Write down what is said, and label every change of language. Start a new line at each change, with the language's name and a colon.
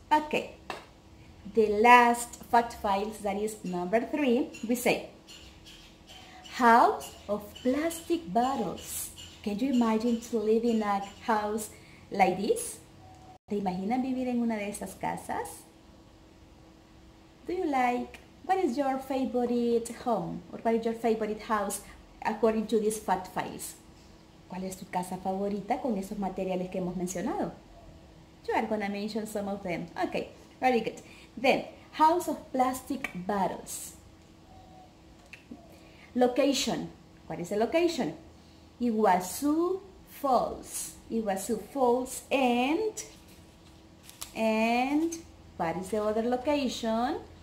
English: Okay, the last fact files, that is number 3, we say, house of plastic bottles. Can you imagine to live in a house like this?
Spanish: ¿Te imaginas vivir en una de esas casas?
English: Do you like, what is your favorite home? Or what is your favorite house according to these fact files?
Spanish: ¿Cuál es tu casa favorita con esos materiales que hemos mencionado?
English: You are going to mention some of them. Okay, very good. Then, house of plastic bottles. Location. What is the location? Iguazu Falls. Iguazu Falls and what is the other location?